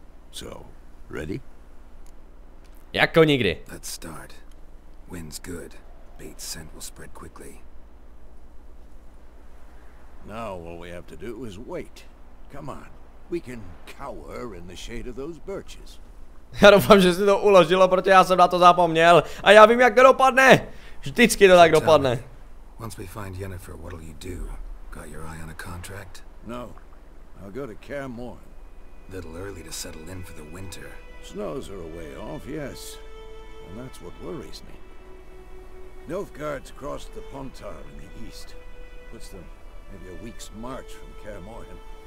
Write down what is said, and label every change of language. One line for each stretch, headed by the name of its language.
English: So, ready?
Czech: Jako nikdy.
English: Let's start. Wind's good. Bait scent will spread quickly. Now all we have to do is wait. Come on, we can cower in the shade of those birches.
Czech: Já doufám, že si to uložilo, protože já jsem na to zapomněl. A já vím, jak to dopadne. Vždycky to tak dopadne.
English: Once we find Yennefer, what'll you do? Got your eye on a contract? No, I'll go to Kaer Morhen. Little early to settle in for the winter. Snows are a way off, yes, and that's what worries me. Nilfgaard's crossed the Pontar in the east. Puts them maybe a week's march from Kaer Morhen.